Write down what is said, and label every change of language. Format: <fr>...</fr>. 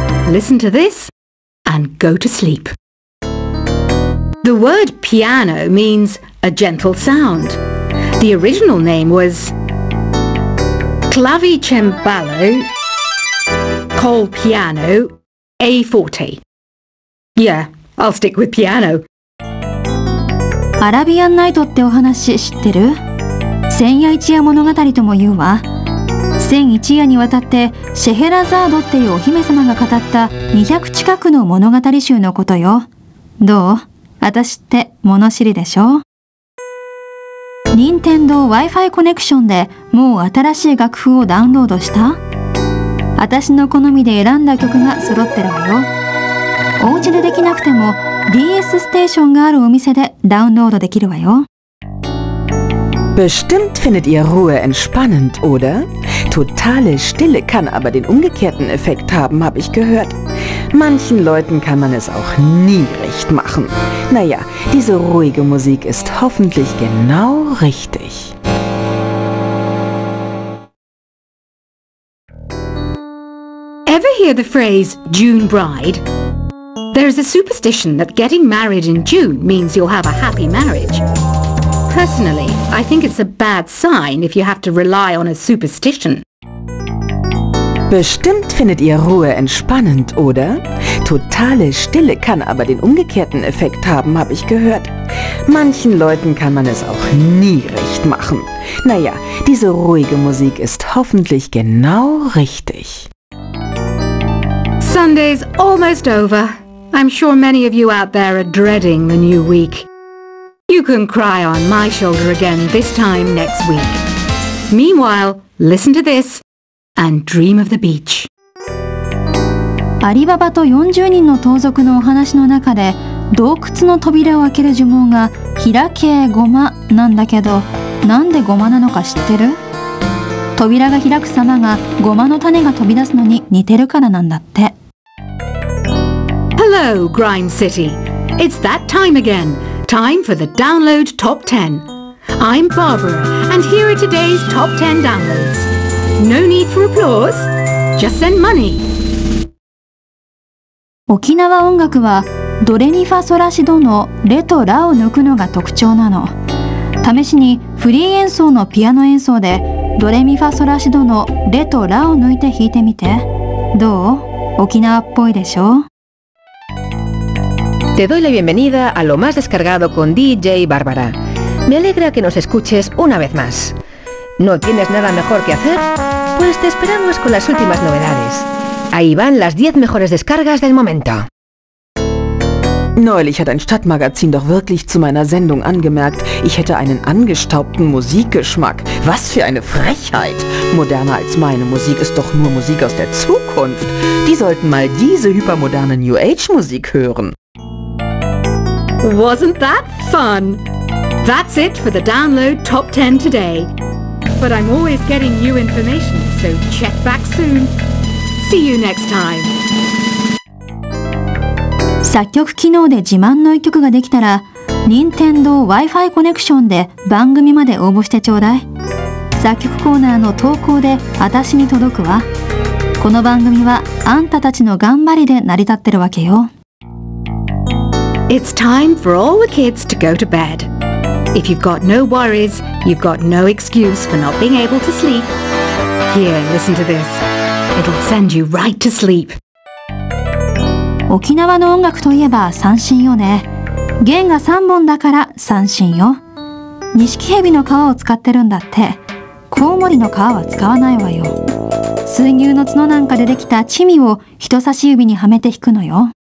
<en>Listen to this and go to sleep. The word piano means a gentle sound. The original name was clavicembalo col piano a forte. Yeah, I'll stick with piano.</en> <ja>アラビアンナイトってお話知ってる？千夜一夜物語とも言うわ。千一夜にわたってシェヘラザードっていうお姫様が語った200近くの物語集のことよ。どう？私って物知りでしょ？任天堂 Wi-Fi コネクションでもう新しい楽譜をダウンロードした？私の好みで選んだ曲が揃ってるわよ。お家でできなくても DS ステーションがあるお店でダウンロードできるわよ。</ja> <de>Bestimmt findet ihr Ruhe entspannend, oder? Totale Stille kann aber den umgekehrten Effekt haben, habe ich gehört. Manchen Leuten kann man es auch nie recht machen. Naja, diese ruhige Musik ist hoffentlich genau richtig.</de> <en>Ever hear the phrase June Bride? There is a superstition that getting married in June means you'll have a happy marriage. Personally, I think it's a bad sign if you have to rely on a superstition.</en> <de>Bestimmt findet ihr Ruhe entspannend, oder? Totale Stille kann aber den umgekehrten Effekt haben, habe ich gehört. Manchen Leuten kann man es auch nie recht machen. Naja, diese ruhige Musik ist hoffentlich genau richtig.</de> <en>Sunday's almost over. I'm sure many of you out there are dreading the new week. You can cry on my shoulder again this time next week. Meanwhile, listen to this and dream of the beach.</en> <ja>アリババと40人の盗賊のお話の中で、洞窟の扉を開ける呪文が開けごまなんだけど、なんでごまなのか知ってる？扉が開く様がごまの種が飛び出すのに似てるからなんだって。</ja> <en>Hello, Grime City. It's that time again. Time for the download top 10. I'm Barbara, and here are today's top 10 downloads. No need for applause. Just send money.</en> <ja>沖縄音楽はドレミファソラシドのレとラを抜くのが特徴なの。試しにフリー演奏のピアノ演奏でドレミファソラシドのレとラを抜いて弾いてみて。どう？沖縄っぽいでしょ？</ja> <es>Te doy la bienvenida a lo más descargado con DJ Bárbara. Me alegra que nos escuches una vez más. ¿No tienes nada mejor que hacer? Pues te esperamos con las últimas novedades. Ahí van las 10 mejores descargas del momento.</es> <de>Neulich hat ein Stadtmagazin doch wirklich zu meiner Sendung angemerkt, ich hätte einen angestaubten Musikgeschmack. Was für eine Frechheit! Moderner als meine Musik ist doch nur Musik aus der Zukunft. Die sollten mal diese hypermoderne New Age Musik hören.</de> <en>Wasn't that fun? That's it for the download top 10 today. But I'm always getting new information, so check back soon. See you next time.</en> <ja>作曲機能で自慢の一曲ができたら、任天堂 Wi-Fi コネクションで番組まで応募してちょうだい。作曲コーナーの投稿で私に届くわ。この番組はあんたたちの頑張りで成り立ってるわけよ。</ja> <en>It's time for all the kids to go to bed. If you've got no worries, you've got no excuse for not being able to sleep. Here, listen to this. It'll send you right to sleep.</en> <ja>沖縄の音楽といえば三線よね。弦が三本だから三線よ。錦蛇の皮を使ってるんだって。コウモリの皮は使わないわよ。水牛の角なんかでできたチミを人差し指にはめて弾くのよ。</ja>